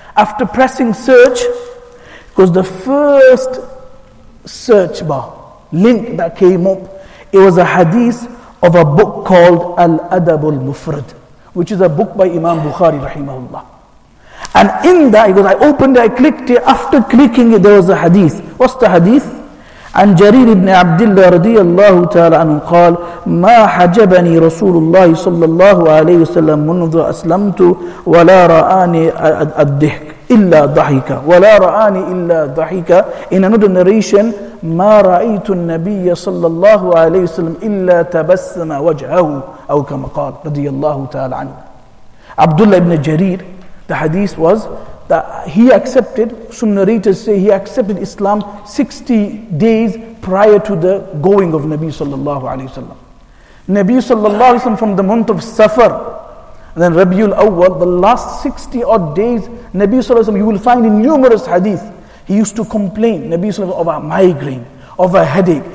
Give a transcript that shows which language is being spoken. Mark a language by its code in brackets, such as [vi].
[en] After pressing search, because the first search bar, link that came up, it was a hadith of a book called Al-Adab al-Mufrad, which is a book by Imam Bukhari, rahimahullah. And in that, he goes, I opened it, I clicked it, after clicking it, there was a hadith. What's the hadith? [ar] عن جرير بن عبد الله رضي الله تعالى عنه قال ما حجبني رسول الله صلى الله عليه وسلم منذ أسلمت ولا رآني الضحك إلا ضحك ولا رآني إلا ضحك. [en] In another narration, [ar] ما رأيت النبي صلى الله عليه وسلم إلا تبسم وجهه أو كما قال رضي الله تعالى عنه. [en] Abdullah ibn Jarir, the hadith was that he accepted, some narrators say he accepted Islam 60 days prior to the going of Nabi sallallahu alayhi wa sallam. Nabi sallallahu alayhi wa sallam, from the month of Safar, then Rabiul Awwal, the last 60 odd days, Nabi sallallahu alayhi wa sallam, you will find in numerous hadith, he used to complain, Nabi sallallahu alayhi wa sallam, of a migraine, of a headache.